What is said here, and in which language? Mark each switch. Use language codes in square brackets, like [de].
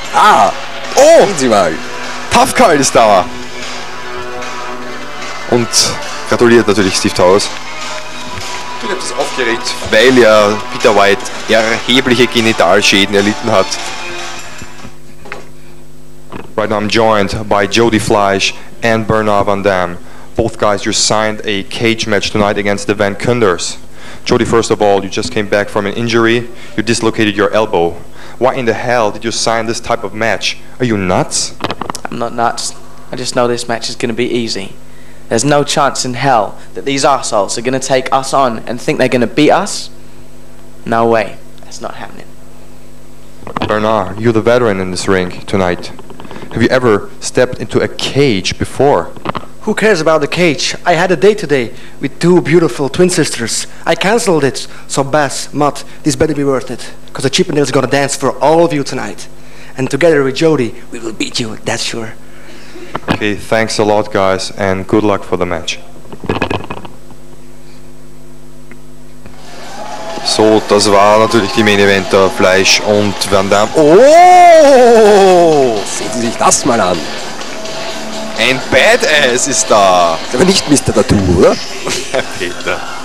[de] Ah! Oh! Sehen Sie mal! Tough Call ist da! Und gratuliert natürlich Steve Taurus. Ich bin etwas aufgeregt, weil ja Peter White erhebliche Genitalschäden erlitten hat. [en] Right now I'm joined by Jody Fleisch and Bernard Van Dam. Both guys, you signed a cage match tonight against the Van Kunders. Jody, first of all, you just came back from an injury. You dislocated your elbow. Why in the hell did you sign this type of match? Are you nuts? I'm not nuts. I just know this match is going to be easy. There's no chance in hell that these assholes are going to take us on and think they're going to beat us. No way. That's not happening. Bernard, you're the veteran in this ring tonight. Have you ever stepped into a cage before? Who cares about the cage? I had a date today with two beautiful twin sisters. I cancelled it. So Bass, Matt, this better be worth it. Because the Chippendales are going to dance for all of you tonight. And together with Jody, we will beat you, that's sure. Okay, thanks a lot, guys, and good luck for the match. [de] So, das war natürlich die Main Event, Fleisch und Van Damme. Oh! Sehen Sie sich das mal an. Ein Badass ist da. Ist aber nicht Mr. Tattoo, oder? Herr Peter.